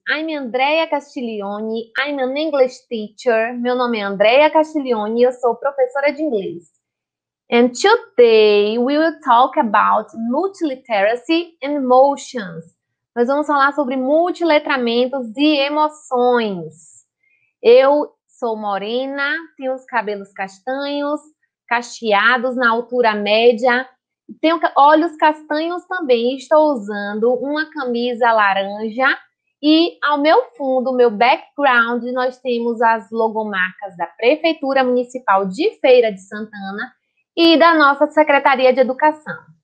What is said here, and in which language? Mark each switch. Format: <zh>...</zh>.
<en>I'm Andrea Castiglione, I'm an English teacher.</en> <pt>Meu nome é Andrea Castiglione e eu sou professora de inglês.</pt> <en>And today we will talk about multiliteracy and emotions.</en> <pt>Nós vamos falar sobre multiletramentos e emoções. Eu sou morena, tenho os cabelos castanhos, cacheados na altura média. Tenho olhos castanhos também. Estou usando uma camisa laranja e ao meu fundo, meu background, nós temos as logomarcas da Prefeitura Municipal de Feira de Santana e da nossa Secretaria de Educação.</pt>